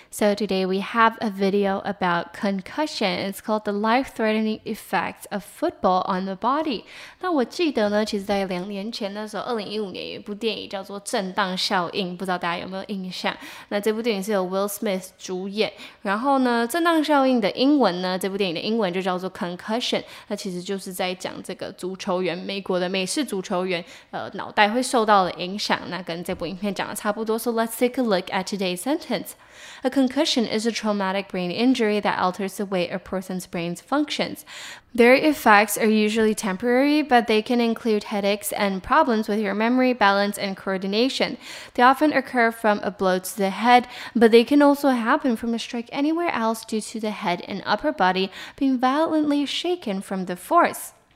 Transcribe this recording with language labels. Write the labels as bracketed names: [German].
[English] So today we have a video about concussion. It's called the life-threatening effects of football on the body. [Chinese] 那我记得呢，其实在两年前的时候，2015年有一部电影叫做《震荡效应》，不知道大家有没有印象？那这部电影是由 Will Smith 主演。然后呢，《震荡效应》的英文呢，这部电影的英文就叫做 concussion。那其实就是在讲这个足球员，美国的美式足球员，脑袋会受到了影响。那跟这部影片讲的差不多， [English] so let's take a look at today's sentence. A concussion is a traumatic brain injury that alters the way a person's brain functions. Their effects are usually temporary, but they can include headaches and problems with your memory, balance, and coordination. They often occur from a blow to the head, but they can also happen from a strike anywhere else due to the head and upper body being violently shaken from the force.